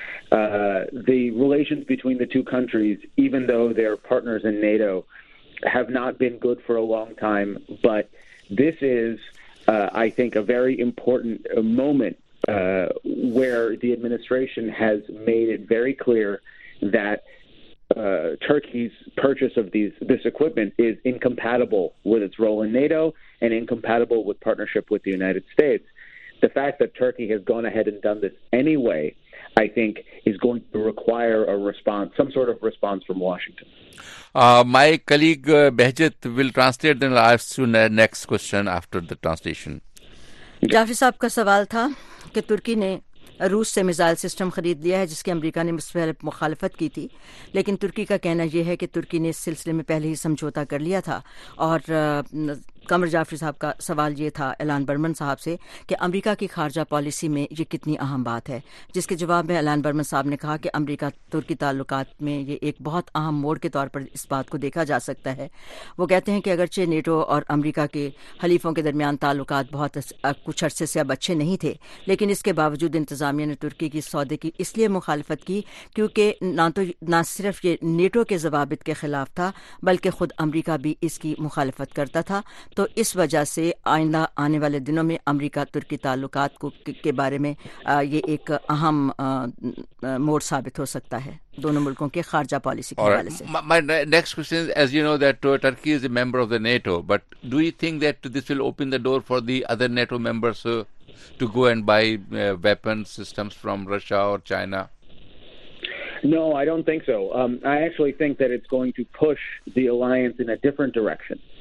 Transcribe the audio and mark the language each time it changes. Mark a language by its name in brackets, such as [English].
[English] The relations between the two countries, even though they are partners in NATO, have not been good for a long time, but this is, I think, a very important moment where the administration has made it very clear that Turkey's purchase of this equipment is incompatible with its role in NATO and incompatible with partnership with the United States. The fact that Turkey has gone ahead and done this anyway, I think, is going to require a response, some sort of response from Washington. My colleague Behjat will translate, then I'll ask you the next question after the translation. [Urdu] Jafri sahab ka sawal tha ki Turkey ne روس سے missile system خرید لیا ہے جس کی امریکہ نے مخالفت کی تھی، لیکن ترکی کا کہنا یہ ہے کہ ترکی نے اس سلسلے میں پہلے ہی سمجھوتا کر لیا تھا. اور قمر جعفری صاحب کا سوال یہ تھا ایلان برمن صاحب سے کہ امریکہ کی خارجہ پالیسی میں یہ کتنی اہم بات ہے، جس کے جواب میں ایلان برمن صاحب نے کہا کہ امریکہ ترکی تعلقات میں یہ ایک بہت اہم موڑ کے طور پر اس بات کو دیکھا جا سکتا ہے. وہ کہتے ہیں کہ اگرچہ نیٹو اور امریکہ کے حلیفوں کے درمیان تعلقات بہت کچھ عرصے سے اب اچھے نہیں تھے، لیکن اس کے باوجود انتظامیہ نے ترکی کی سودے کی اس لیے مخالفت کی کیونکہ نہ صرف یہ نیٹو کے ضوابط کے خلاف تھا بلکہ خود امریکہ بھی اس کی مخالفت کرتا تھا. تو اس وجہ سے آئندہ آنے والے دنوں میں امریکہ ترکی تعلقات کے بارے میں یہ ایک اہم موڑ ثابت ہو سکتا ہے دونوں ملکوں کے خارجہ پالیسی کے حوالے سے. [English] My next question is, as you know, that Turkey is a member of the NATO, but do you think that this will open the door for the other NATO members to go and buy weapons systems from Russia or China? No, I don't think so. I actually think that it's going to push the alliance in a different direction.